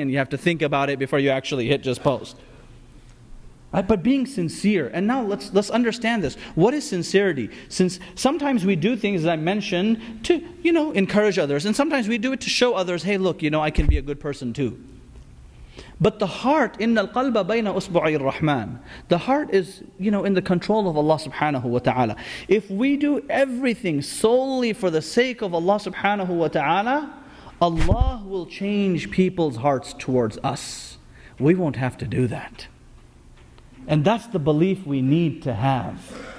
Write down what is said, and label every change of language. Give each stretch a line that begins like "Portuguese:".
English: And you have to think about it before you actually hit just post. Right? But being sincere, and now let's understand this. What is sincerity? Since sometimes we do things, as I mentioned, to, you know, encourage others. And sometimes we do it to show others, hey, look, you know, I can be a good person too. But the heart,
Arabic: إِنَّ الْقَلْبَ بَيْنَ أُصْبُعِ الرَّحْمَنِ.
English: The heart is, you know, in the control of Allah subhanahu wa ta'ala. If we do everything solely for the sake of Allah subhanahu wa ta'ala, Allah will change people's hearts towards us. We won't have to do that. And that's the belief we need to have.